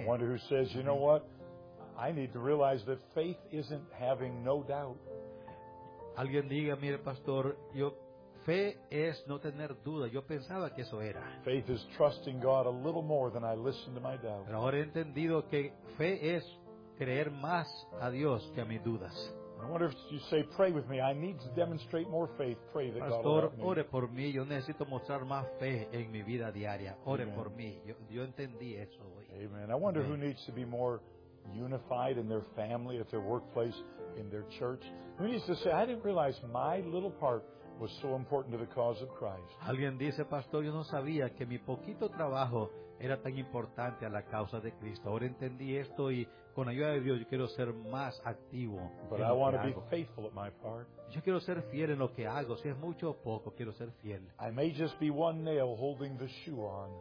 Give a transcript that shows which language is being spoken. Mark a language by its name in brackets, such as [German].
[English] I wonder who says, you know what? I need to realize that faith isn't having no doubt. [Spanish] Alguien diga, mire, pastor, yo fe es no tener duda. Yo pensaba que eso era. [English] Faith is trusting God a little more than I listen to my doubt. [Spanish] Pero ahora he entendido que fe es creer más a Dios que a mis dudas. [English] I wonder if you say, pray with me. I need to demonstrate more faith. Pray that pastor, God will help me. [Spanish] Pastor, ore por mí. Yo necesito mostrar más fe en mi vida diaria. Ore Amen. Por mí. Yo entendí eso hoy. Amen. [English] I wonder Amen. Who needs to be more unified in their family, at their workplace, in their church. Who needs to say, I didn't realize my little part was so important to the cause of Christ. [Spanish] Alguien dice, pastor, yo no sabía que mi poquito trabajo era tan importante a la causa de Cristo. Ahora entendí esto y con la ayuda de Dios yo quiero ser más activo. [English] But I want to be faithful at my part. [Spanish] Yo quiero ser fiel en lo que hago. Si es mucho o poco, quiero ser fiel. [English] I may just be one nail holding the shoe on.